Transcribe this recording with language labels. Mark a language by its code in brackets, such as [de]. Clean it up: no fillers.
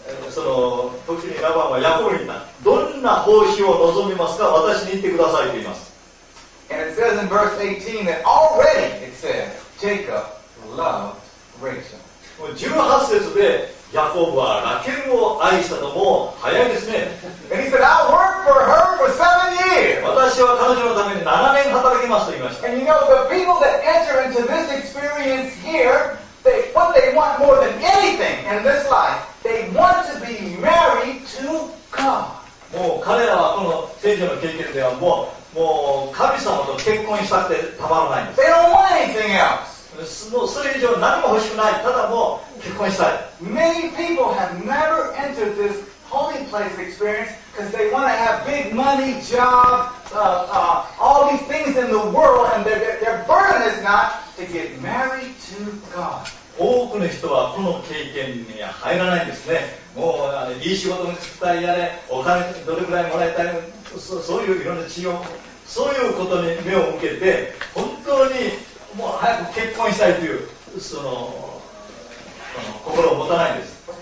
[ja] その時にラバンはヤコブに言った。どんな報酬を望みますか？私に言ってくださいと言います。 [en] And it says in verse 18 that already it says Jacob loved Rachel. [ja] もう18節でヤコブはラケルを愛したのも早いですね。 [en] And he said, I'll work for her for 7 years. [ja] 私は彼女のために7年働きますと言いました。 [en] And you know, the people that enter into this experience here, they, what they want more than anything in this life, they want to be married to God. [ja] もう彼らはこの聖書の経験ではもう神様と結婚したくてたまらないんです。 [en] They don't want anything else. [ja] それ以上何も欲しくない。ただもう結婚したい。 [en] Many people have never entered this holy place experience because they want to have big money, job, all these things in the world, and their burden is not to get married to God. [ja] 多くの人はこの経験に入らないんですね。もういい仕事に就きたいやれ、お金どれくらいもらいたい、そういういろんな治療、そういうことに目を向けて、本当にもう早く結婚したいというその心を持たないんです。